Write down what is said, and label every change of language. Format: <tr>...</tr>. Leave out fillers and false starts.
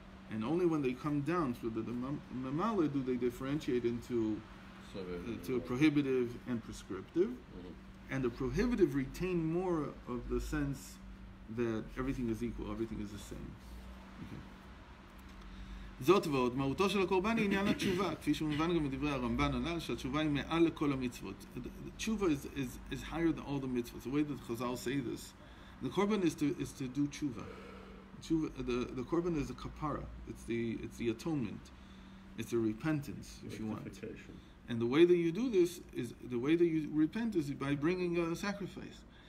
<en>And only when they come down through the memale do they differentiate into to a prohibitive and prescriptive. Mm-hmm. And the prohibitive retain more of the sense that everything is equal, everything is the same.</en> <he>זאת ועוד, מהותו של הקורבן היא עניין התשובה, כפי שמובן גם מדברי הרמב"ן הנ"ל, שהתשובה היא מעל לכל המצוות.</he> <en>תשובה is higher than all the mitzvot. The way that Chazal say this, the korban is to do tshuva. The korban is a kapara. It's the atonement. It's a repentance, if you want. And the way that you do this is the way that you repent is by bringing a sacrifice.</en>